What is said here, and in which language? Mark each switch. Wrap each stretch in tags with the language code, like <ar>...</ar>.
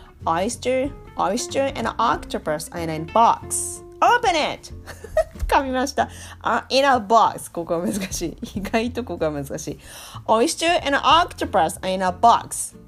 <en>Oyster and an octopus are in a box. Open it!</en> <ja>噛みました。</ja> <en>In a box.</en> <ja>ここは難しい。意外とここは難しい。</ja> <en>Oyster and an octopus are in a box.</en>